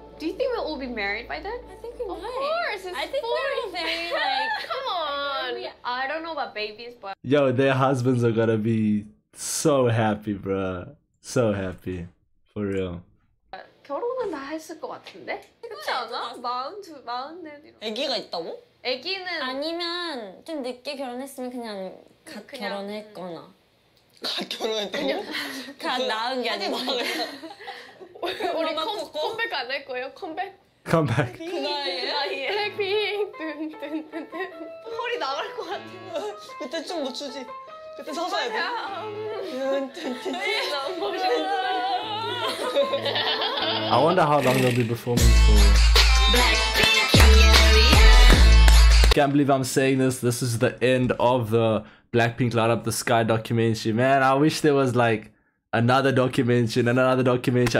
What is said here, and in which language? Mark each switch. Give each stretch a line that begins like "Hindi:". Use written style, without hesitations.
English: Do you think we'll all be married by then? I think we might. Of course, it's 40. I think we'll be like, come on. I don't know about babies, but. Yo, their husbands are gonna be so happy, bruh. So happy, for real.
Korean: 결혼은 다 했을 것 같은데? 그렇지 않아? 마흔 아기가 있다고? 아기는 아니면 좀 늦게 결혼했으면 그냥 갓 결혼했거나 갓 결혼했다고? 갓 낳은 게 아니고 우리 컴백 안 할 거예요? 컴백? 컴백 그 나이에? 블랙핑 허리 나갈 것 같아 그때 좀 놓추지 그때 서서 해야 돼
English: I wonder how long they'll be performing for. Can't believe I'm saying this. This is the end of the Blackpink Light Up the Sky documentary. Man, I wish there was like another documentary and another documentary.